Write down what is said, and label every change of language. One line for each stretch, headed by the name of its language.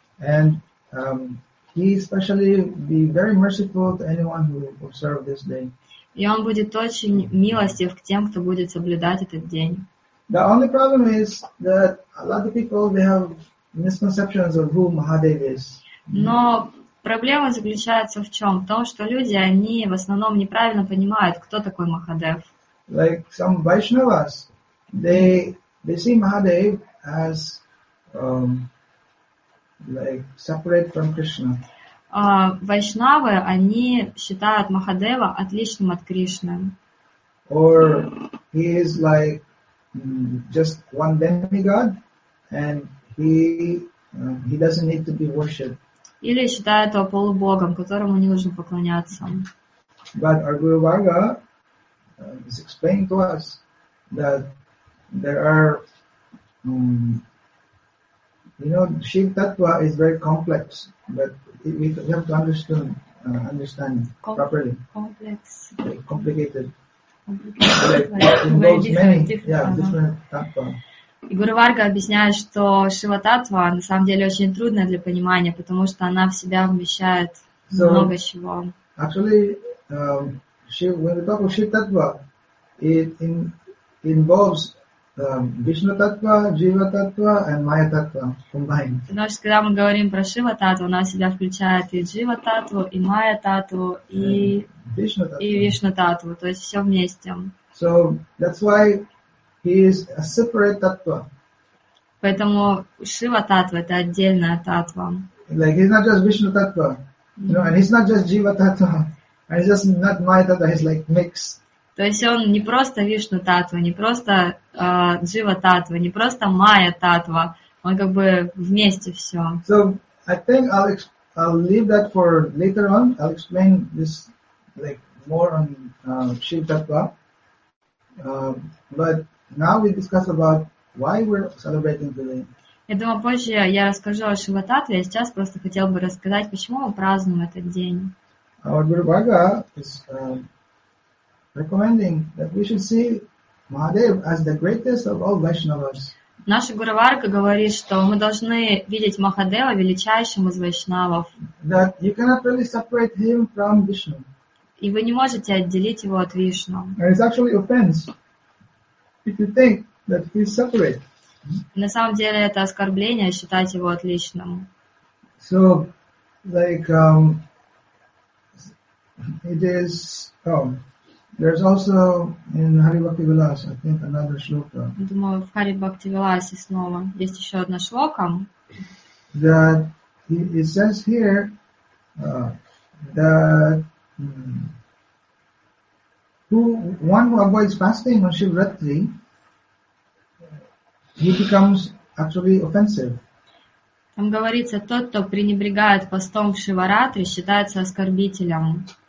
English: And he especially be very merciful to anyone who observes this day.
Russian: И он будет очень милостив к тем, кто будет соблюдать этот день.
English: The only problem is that a lot of people, they have misconceptions of who Mahadev is.
Russian: Но проблема заключается в чем? В том, что люди, они в основном неправильно понимают, кто такой Махадев.
English: Like some Vaishnavas, they see Mahadev as like separate from Krishna.
Russian: Вайшнавы, они считают Махадева отличным от Кришны.
English: Or he is like just one demigod and he doesn't need to be worshipped.
Russian: Или считают его полубогом, которому не нужно поклоняться.
English: But our Guru Varga is explaining to us that there are you know, Shiva Tattva is very complex, but we have to understand properly. Complex. Like complicated. Complicated. Like, it involves different tattva.
Russian: И Гуру Варга объясняет, что Шива Таттва на самом деле очень трудная для понимания, потому что она в себя вмещает много чего.
English: Actually, when we talk about Shiva Таттва, it involves Vishnu Таттва, Jiva Таттва and Maya Таттва combined.
Russian: Потому что когда мы говорим про Шива Таттву, она в себя включает и Jiva Таттву, и Maya Таттву, и Вишну Таттву, то есть все вместе.
English: So that's why he is a separate tattva.
Russian: Поэтому Шива Таттва — это отдельная таттва.
English: Like he's not just Vishnu Таттва, you know, and he's not just Jiva Таттва, and he's just not Maya Таттва. He's like mixed.
Russian: То есть он не просто Вишну Таттва, не просто Джива Таттва, не просто Майя Таттва. Он как бы вместе все.
English: So I think I'll leave that for later on. I'll explain this like more on Shiva Taattva. But now we discuss about why we're celebrating today.
Russian: Я думаю, позже я расскажу о Шива Таттве. Я сейчас просто хотел бы рассказать, почему мы празднуем этот день.
English: Our Guru Bhaga is recommending that we should see Mahadev as the greatest of all Vaishnavas.
Russian: Наша Гуру Варга говорит, что мы должны видеть Махадева величайшим из вайшнавов.
English: That you cannot really separate him from Vishnu.
Russian: И вы не можете отделить его от Вишну.
English: And it's actually offense if you think that he's separate.
Russian: На самом деле это оскорбление считать его отличным.
English: So, like, it is. There's also in Hari Bhakti Vilas, I think, another shloka.
Russian: Я думаю, в Хари Бхакти Виласе снова есть еще одна шлока.
English: That it says here that one who avoids fasting on Shivratri, he becomes actually offensive.
Russian: Там говорится, тот, кто пренебрегает постом в Шиваратри, считается оскорбителем.